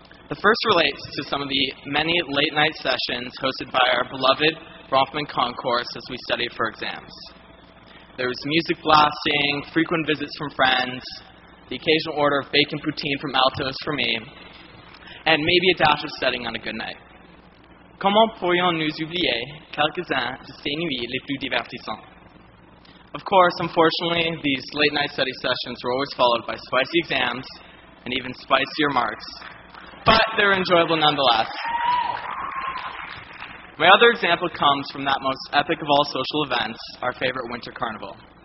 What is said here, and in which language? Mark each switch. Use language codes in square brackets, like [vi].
[en] The first relates to some of the many late-night sessions hosted by our beloved Bronfman Concourse as we studied for exams. There was music blasting, frequent visits from friends, the occasional order of bacon poutine from Altos for me, and maybe a dash of studying on a good night. [fr] Comment pourrions-nous oublier quelques-uns de ces nuits les plus divertissantes? [en] Of course, unfortunately, these late-night study sessions were always followed by spicy exams and even spicier marks, but they're enjoyable nonetheless. My other example comes from that most epic of all social events, our favorite winter carnival.